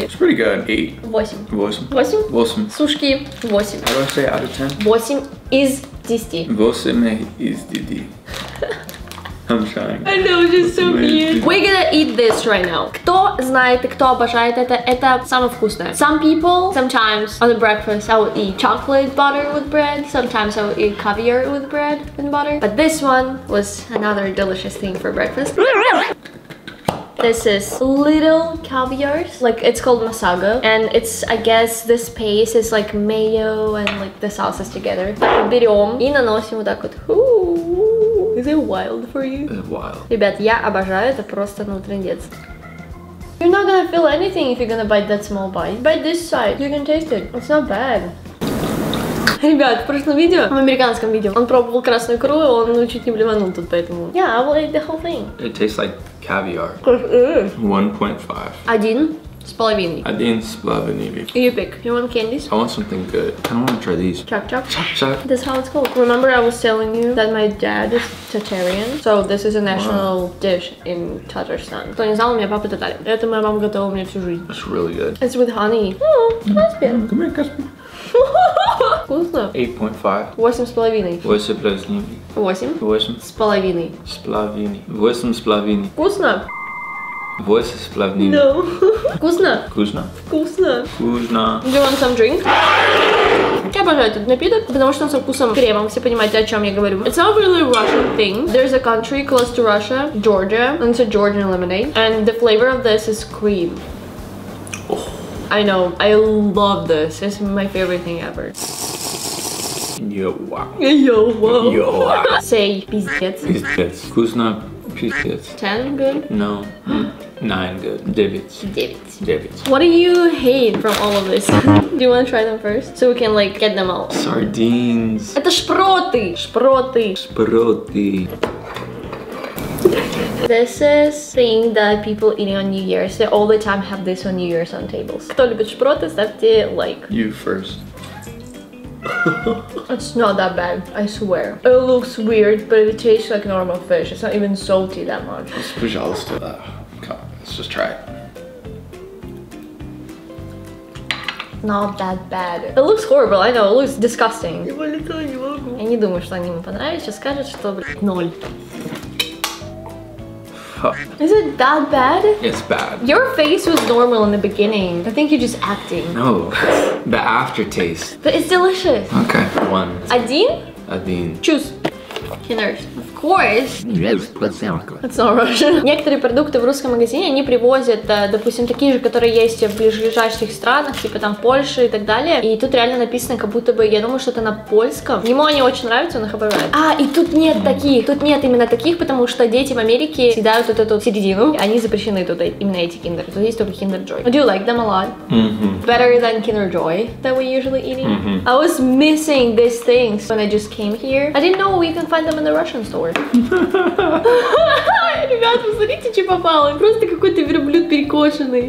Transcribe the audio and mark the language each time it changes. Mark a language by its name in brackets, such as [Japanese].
[English] It's pretty good. 8. 8? 8. [Russian] Сушки 8. [English] How do I say out of 10? [Russian] 8 из 10. 8 из 10. [English] I'm trying. I know, it's just so weird. We're gonna eat this right now. [Russian] Кто знает и кто обожает это самое вкусное. [English] Some people, sometimes on the breakfast, I would eat chocolate butter with bread. Sometimes I would eat caviar with bread and butter. But this one was another delicious thing for breakfast. This is little caviar, like it's called masago, and it's, I guess, this paste is like mayo and like the sauces together. [Russian] Берем и наносим вот так вот. [English] Is it wild for you? It's wild. [Russian] Ребят, я обожаю, это просто ну трындец. [English] You're not gonna feel anything if you're gonna bite that small bite. Bite this side, you can taste it. It's not bad. [Russian] Ребят, в прошлом видео, в американском видео, он пробовал красную икру, и он чуть не блеванул тут, поэтому... [English] Yeah, I will eat the whole thing. It tastes like caviar. [Russian] 1.5. Один с половиной. Один с половиной. [English] You pick. You want candies? I want something good. I don't want to try these. Chuck-chuck. Chuck-chuck. That's how it's called. Remember I was telling you that my dad is Tatarian? So this is a national dish in Tatarstan. [Russian] Кто не знал, у меня папа татарин. Это моя мама готовила мне всю жизнь. [English] It's really good. It's with honey. Oh, Каспин. Come here, Каспин. [Russian] Вкусно. 8.5. 8.5. 8.5. 8. 8.5. 8.5. Вкусно. 8.5. No. Вкусно. Вкусно. Вкусно. Вкусно. [English] Do you want some drink? [Russian] Я обожаю этот напиток, потому что он со вкусом крема. Все понимаете, о чем я говорю. [English] It's not really a Russian thing. There's a country close to Russia, Georgia, and it's a Georgian lemonade. And the flavor of this is cream. I know, I love this. It's my favorite thing ever. Yo, wow. Yo, wow. Yo, wow. Say, пиздец. [Russian] Пиздец. Вкусно, пиздец. [English] 10, good? No. 9, good. 9. 9. 9. What do you hate from all of this? Do you want to try them first? So we can, like, get them all. Sardines. [Russian] Это шпроты. Шпроты. Шпроты. [English] This is thing that people eat on New Year's. They all the time have this on New Year's on tables. [Russian] Кто любит шпроты, ставьте лайк. [English] You first. It's not that bad, I swear. It looks weird, but it tastes like normal fish. It's not even salty that much. [Russian] Пожалуйста. [English] Come on, let's just try it. Not that bad. It looks horrible, I know, it looks disgusting. [Russian] Я вылетаю, не могу. Я не думаю, что они ему понравятся, сейчас скажут, что... Ноль. [English] Is it that bad? It's bad. Your face was normal in the beginning. I think you're just acting. No, the aftertaste. But it's delicious. Okay, one. [Russian] Один? Один. [English] Choose. Kinders. Of course. Yes, that's not Russian. [Russian] Некоторые продукты в русском магазине, они привозят, допустим, такие же, которые есть в ближайших странах, типа там Польша и так далее. И тут реально написано, как будто бы, я думаю, что это на польском. Ему они очень нравятся, он их обожает. А, и тут нет таких. Тут нет именно таких, потому что дети в Америке съедают вот эту середину. И они запрещены тут, именно эти киндеры. Тут есть только Kinder Joy. [English] I do like them a lot. Mm-hmm. Better than Kinder Joy that we usually eating. Mm-hmm. I was missing these things when I just came here. I didn't know we can find them in the Russian store. [Russian] Ребят, посмотрите, что попало. Просто какой-то верблюд перекошенный.